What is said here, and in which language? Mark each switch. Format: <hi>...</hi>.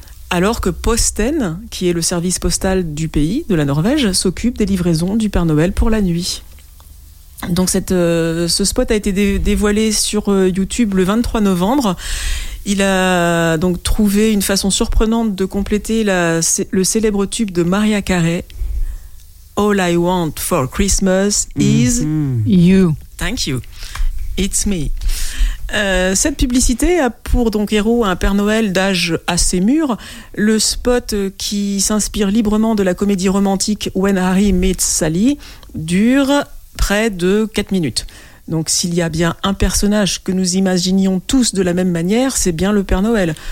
<fr>Alors que Posten, qui est le service postal du pays, de la Norvège, s'occupe des livraisons du Père Noël pour la nuit. Donc ce spot a été dévoilé sur YouTube le 23 novembre. Il a donc trouvé une façon surprenante de compléter le célèbre tube de Mariah Carey.</fr> <en>All I want for Christmas is you. Thank you. It's me.</en> <fr>Cette publicité a pour donc héros un Père Noël d'âge assez mûr. Le spot qui s'inspire librement de la comédie romantique When Harry Meets Sally dure près de 4 minutes. Donc s'il y a bien un personnage que nous imaginions tous de la même manière, c'est bien le Père Noël.</fr>